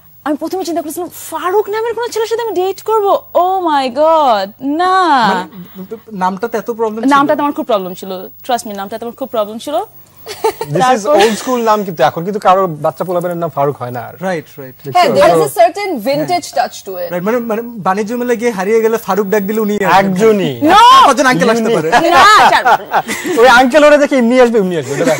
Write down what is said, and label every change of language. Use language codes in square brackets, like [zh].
[bn] আমি প্রথমে চিন্তা করেছিলাম ফারুক নামের কোন ছেলের সাথে আমি ডেট করব, ও মাই গড, না নামটা তো এত প্রবলেম ছিল, নামটা তো আমার খুব প্রবলেম ছিল, ট্রাস্ট মি নামটা তো আমার খুব প্রবলেম ছিল. [en] This is old school [bn] নাম, কিন্তু এখন কিন্তু কারো বাচ্চা পোলাবের নাম ফারুক হয় না. [en] Right, right. হ্যাঁ, there is a certain vintage touch to it. [bn] Right, মানে মানে বাণিজ্য মেলে গিয়ে হারিয়ে গেলে ফারুক ডাক দিলে উনি একজনই কতজন আঙ্কেল আসতে পারে, না চার ওই আঙ্কেল ওরে দেখে এমনি আসবে উনি আসবে.